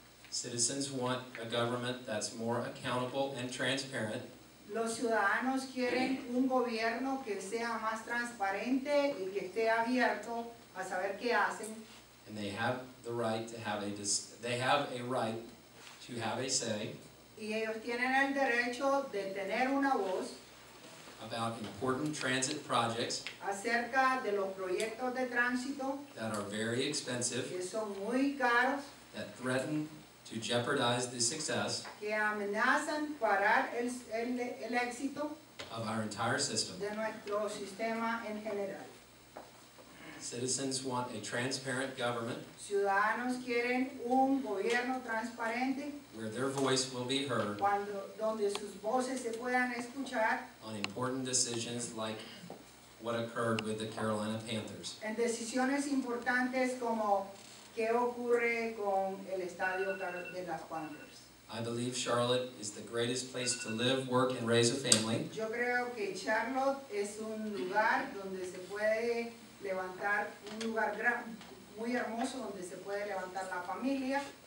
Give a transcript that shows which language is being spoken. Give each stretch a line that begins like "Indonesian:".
English: Citizens want a government that's more accountable and transparent.
Spanish: Los ciudadanos quieren un gobierno que sea más transparente y que esté abierto a saber qué hacen.
English: And they have the right to have a say.
Spanish: Y ellos tienen el derecho de tener una voz.
English: About important transit projects.
Spanish: Acerca de los proyectos de tránsito.
English: That are very expensive.
Spanish: Que son muy caros.
English: That threaten to jeopardize the success
Spanish: que amenazan parar el éxito
English: of our entire system.
Spanish: De nuestro sistema en general.
English: Citizens want a transparent government.
Spanish: Ciudadanos quieren un gobierno transparente
English: where their voice will be heard
Spanish: donde sus voces se puedan escuchar
English: on important decisions like what occurred with the Carolina Panthers.
Spanish: En decisiones importantes como ¿qué ocurre con el estadio de las Panthers?
English: I believe Charlotte is the greatest place to live, work, and raise a family.
Spanish: Yo creo que Charlotte es un lugar donde se puede levantar un lugar muy hermoso donde se puede levantar la familia.